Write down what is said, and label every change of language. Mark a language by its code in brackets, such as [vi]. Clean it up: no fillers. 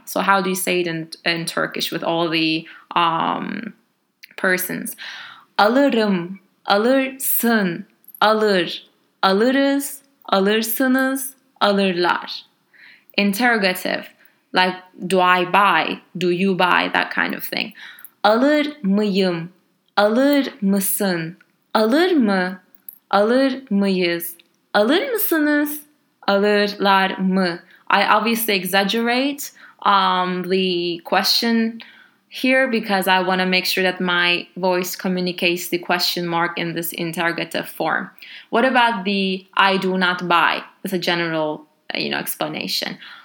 [en] So how do you say it in Turkish with all the persons? [tr] Alırım, alırsın, alır, alırız, alırsınız, alırlar. [en] Interrogative, like do I buy, do you buy, that kind of thing. [tr] Alır mıyım, alır mısın, alır mı, alır mıyız, alır mısınız, alırlar mı. [en] I obviously exaggerate the question here because I want to make sure that my voice communicates the question mark in this interrogative form. What about the I do not buy? It's a general, you know, explanation.